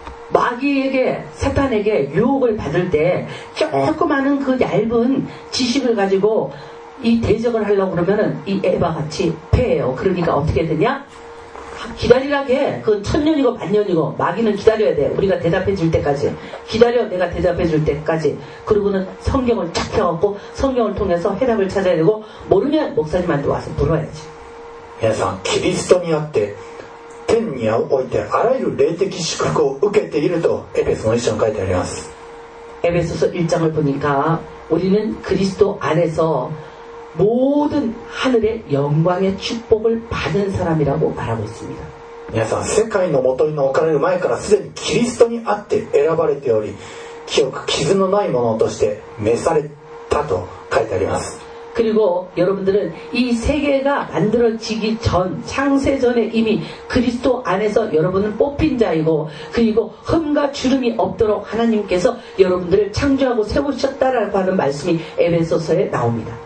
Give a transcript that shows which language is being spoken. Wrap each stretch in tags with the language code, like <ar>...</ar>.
<ko>마귀에게 사탄에게 유혹을 받을 때 조그마한 그 얇은 지식을 가지고 이 대적을 하려고 그러면은 이 에바같이 패해요. 그러니까 어떻게 되냐? 기다리라게 해. 그건 천년이고 만년이고 마귀는 기다려야 돼. 우리가 대답해 줄 때까지 기다려. 내가 대답해 줄 때까지. 그리고는 성경을 쫙 펴갖고 성경을 통해서 해답을 찾아야 되고 모르면 목사님한테 와서 물어야지. 여러분 그리스도니한테</ko> <ja>天においてあらゆる霊的祝福を受けているとエペソの1章に書いてあります。</ja> <ko>에베소서 1장을 보니까 우리는 그리스도 안에서 모든 하늘의 영광의 축복을 받은 사람이라고 말하고 있습니다.</ko> <ja>皆さん世界の元に置かれる前からすでにキリストにあって選ばれており清く傷のないものとして召されたと書いてあります。</ja> <ko>그리고여러분들은이세계가만들어지기전창세전에이미그리스도안에서여러분은뽑힌자이고그리고흠과주름이없도록하나님께서여러분들을창조하고세우셨다라고하는말씀이에베소서에나옵니다</ko>